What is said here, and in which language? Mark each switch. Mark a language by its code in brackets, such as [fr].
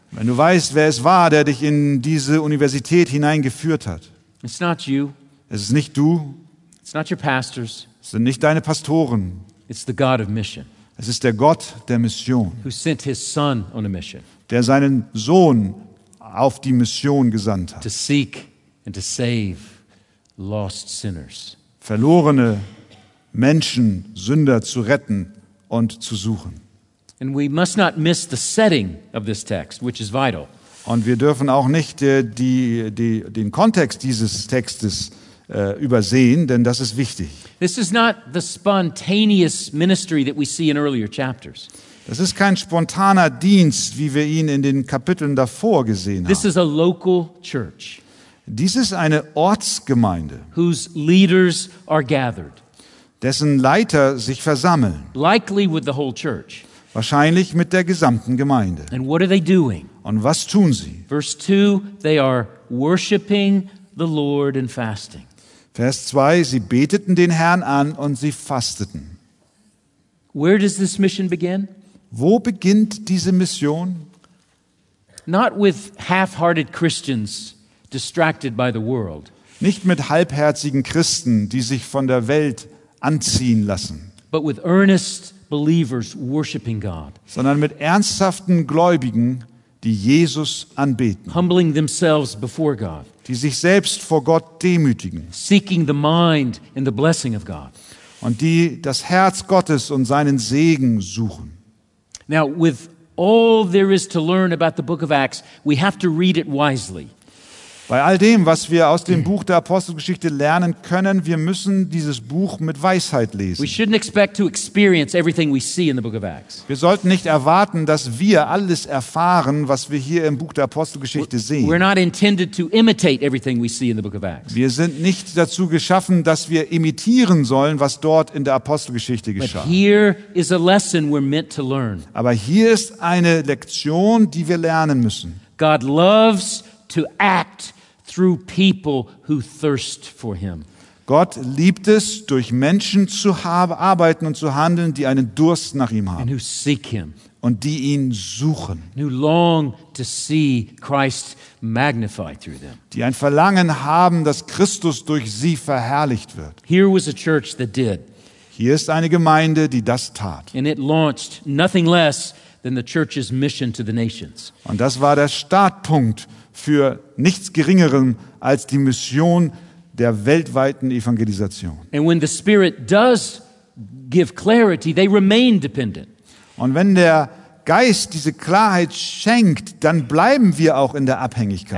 [de] Wenn du weißt, wer es war, der dich in diese Universität hineingeführt hat. [en] It's not you. [de] Es ist nicht du. [en] It's not your pastors. [de] Es sind nicht deine Pastoren. [en] It's the God of mission. [de] Es ist der Gott der Mission. [en] Who sent his son on a mission. [de] Der seinen Sohn auf die Mission gesandt hat. [en] To seek and to save lost sinners. [de] Verlorene Menschen, Sünder zu retten und zu suchen. [en] And we must not miss the setting of this text, which is vital. [de] Und wir dürfen auch nicht den Kontext dieses Textes übersehen, denn das ist wichtig. [en] This is not the spontaneous ministry that we see in earlier chapters. [de] Das ist kein spontaner Dienst, wie wir ihn in den Kapiteln davor gesehen [en] this [de] haben. [en] This is a local church. [de] Dies ist eine Ortsgemeinde, [en] whose leaders are gathered. [de] Dessen Leiter sich versammeln. [en] Likely with the whole church. [de] Wahrscheinlich mit der gesamten Gemeinde. [en] And what are they doing? [de] Und was tun sie? [en] Verse 2, they are worshiping the Lord and fasting. [de] Vers 2, sie beteten den Herrn an und sie fasteten. [en] Where does this mission begin? [de] Wo beginnt diese Mission? [en] Not with half-hearted Christians distracted by the world. [de] Nicht mit halbherzigen Christen, die sich von der Welt anziehen lassen. [en] But with earnest believers worshiping God. [de] Sondern mit ernsthaften Gläubigen, die Jesus anbeten. [en] Humbling themselves before God. [de] Die sich selbst vor Gott demütigen. [en] Seeking the mind and the blessing of God. [de] Und die das Herz Gottes und seinen Segen suchen. [en] Now with all there is to learn about the book of Acts, we have to read it wisely. [de] Bei all dem, was wir aus dem Buch der Apostelgeschichte lernen können, wir müssen dieses Buch mit Weisheit lesen. [en] We shouldn't expect to experience everything we see in the book of Acts. [de] Wir sollten nicht erwarten, dass wir alles erfahren, was wir hier im Buch der Apostelgeschichte sehen. [en] We're not intended to imitate everything we see in the book of Acts. [de] Wir sind nicht dazu geschaffen, dass wir imitieren sollen, was dort in der Apostelgeschichte geschah. [en] But here is a lesson we're meant to learn. [de] Aber hier ist eine Lektion, die wir lernen müssen. [en] God loves to act through people who thirst for him. [de] Gott liebt es, durch Menschen zu arbeiten und zu handeln, die einen Durst nach ihm haben. [en] And who seek him. [de] Und die ihn suchen. [en] And who long to see Christ magnified through them. [de] Die ein Verlangen haben, dass Christus durch sie verherrlicht wird. [en] Here was a church that did. [de] Hier ist eine Gemeinde, die das tat. [en] And it launched nothing less than the church's mission to the nations. [de] Und das war der Startpunkt für nichts Geringerem als die Mission der weltweiten Evangelisation. [en] And when the Spirit does give clarity, they remain dependent. [de] Und wenn der Geist diese Klarheit schenkt, dann bleiben wir auch in der Abhängigkeit.